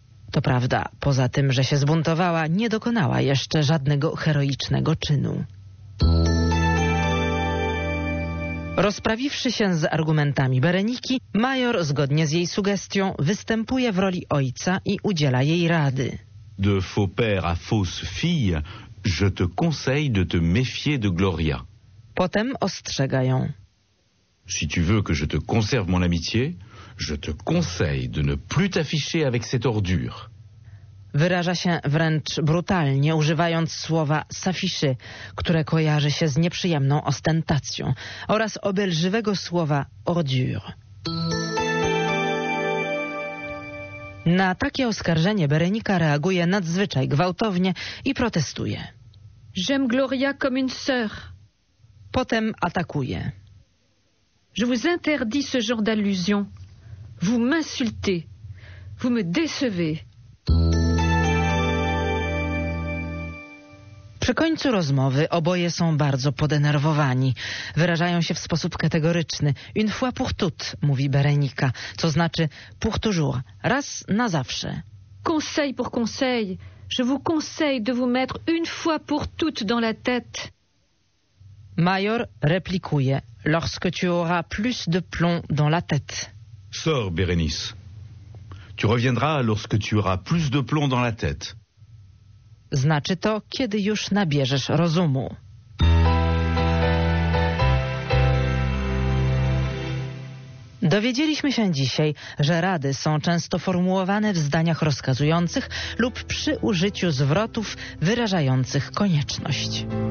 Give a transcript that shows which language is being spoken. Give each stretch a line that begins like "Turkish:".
Polish: To prawda, poza tym, że się zbuntowała, nie dokonała jeszcze żadnego heroicznego czynu. Rozprawiwszy się z argumentami Bereniki, major zgodnie z jej sugestią występuje w roli ojca i udziela jej rady.
French: De faux père à fausse fille, je te conseille de te méfier de Gloria.
Polish: Potem ostrzega ją.
French: Si tu veux que je te conserve mon amitié, je te conseille de ne plus t'afficher avec cette ordure.
Polish: Wyraża się wręcz brutalnie, używając słowa s'afficher, które kojarzy się z nieprzyjemną ostentacją, oraz obelżywego słowa ordure. Na takie oskarżenie Berenika reaguje nadzwyczaj gwałtownie i protestuje.
French: J'aime Gloria comme une sœur.
Polish: Potem atakuje.
French: Je vous interdis ce genre d'allusion. Vous m'insultez. Vous me décevez.
Polish: Przy końcu rozmowy oboje są bardzo podenerwowani. Wyrażają się w sposób kategoryczny.
French: Une fois pour toutes,
Polish: mówi Berenika, co znaczy
French: pour toujours,
Polish: raz na zawsze.
French: Conseil pour conseil. Je vous conseille de vous mettre une fois pour toutes dans la tête.
Polish: Major replikuje,
French: lorsque tu auras plus de plomb dans la tête. Sors, Bérénice. Tu reviendras lorsque tu auras plus de plomb dans la tête.
Polish: Znaczy to, kiedy już nabierzesz rozumu. Dowiedzieliśmy się dzisiaj, że rady są często formułowane w zdaniach rozkazujących lub przy użyciu zwrotów wyrażających konieczność.